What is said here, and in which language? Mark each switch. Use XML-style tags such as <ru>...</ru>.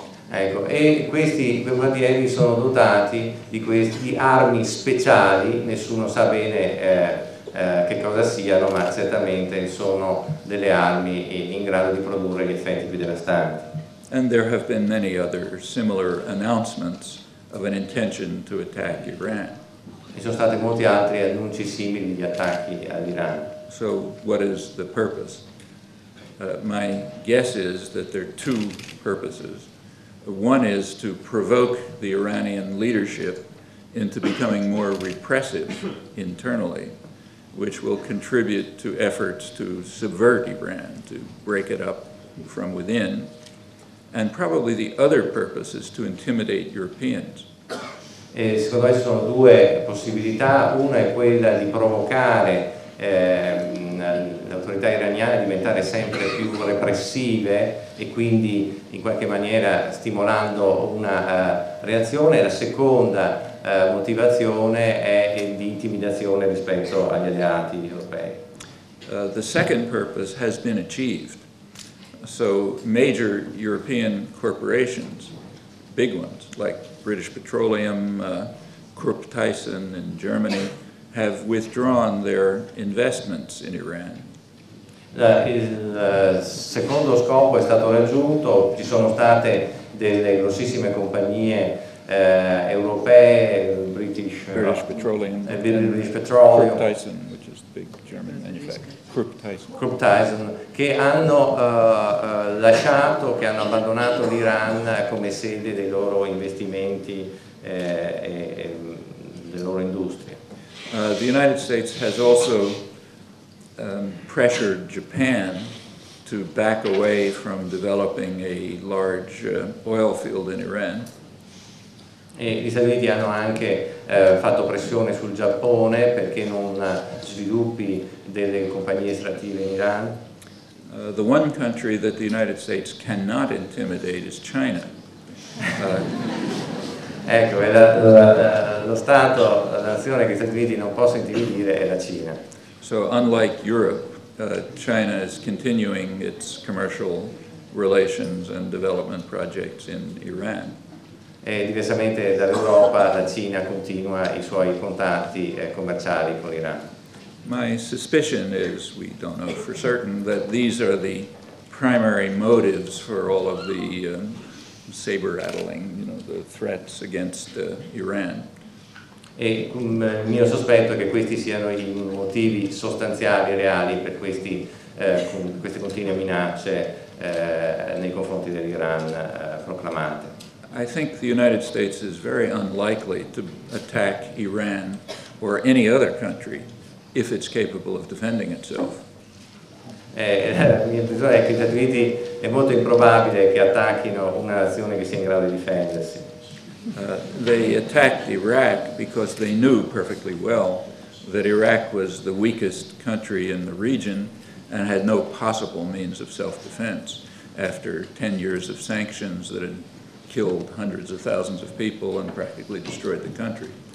<it>Ecco, e questi bombardieri sono dotati di questi armi speciali, nessuno sa bene che cosa siano, ma certamente sono delle armi in grado di produrre gli effetti più devastanti.</it> <en>And there have been many other similar announcements of an intention to attack Iran.</en> <it>E sono stati molti altri annunci simili di attacchi all'Iran.</it> <en>So what is the purpose? My guess is that there are two purposes. One is to provoke the Iranian leadership into becoming more repressive internally, which will contribute to efforts to subvert Iran, to break it up from within. And probably the other purpose is to intimidate Europeans.</en> <it>E secondo me ci sono due possibilità. Una è quella di provocare le autorità iraniane a diventare sempre più repressive e quindi in qualche maniera stimolando una reazione. La seconda motivazione è di intimidazione rispetto agli alleati europei.</it> <en>The second purpose has been achieved. So major European corporations, big ones like British Petroleum, Krupp Tyson in Germany, have withdrawn their investments in Iran.</en> <it>Il secondo scopo è stato raggiunto, ci sono state delle grossissime compagnie europee, British Petroleum,</it> <en>Krupp Tyson, which is the big German manufacturer, Krupp Tyson,</en> <it>che hanno lasciato, che hanno abbandonato l'Iran come sede dei loro investimenti e delle loro industrie.</it> <en>The United States has also pressured Japan to back away from developing a large oil field in Iran.</en> <it>E gli Stati Uniti hanno anche fatto pressione sul Giappone perché non sviluppi delle compagnie estrattive in Iran.</it> <en>The one country that the United States cannot intimidate is China.</en> <it>Ecco, è la nazione che gli Stati Uniti non possono intimidire è la Cina.</it> <en>So unlike Europe, China is continuing its commercial relations and development projects in Iran.</en> <it>E diversamente dall'Europa, la Cina continua i suoi contatti commerciali con l'Iran.</it> <en>My suspicion is, we don't know for certain, that these are the primary motives for all of the saber-rattling, you know, the threats against Iran.</en> <it>E il mio sospetto è che questi siano i motivi sostanziali e reali per questi, queste continue minacce nei confronti dell'Iran proclamate.</it> <en>I think the United States is very unlikely to attack Iran or any other country if it's capable of defending itself.</en> <it>La mia impressione è che gli Stati Uniti è molto improbabile che attacchino una nazione che sia in grado di difendersi.</it> <en>They attacked Iraq because they knew perfectly well that Iraq was the weakest country in the region and had no possible means of self-defense after 10 years of sanctions that had killed hundreds of thousands of people and practically destroyed the country.</en>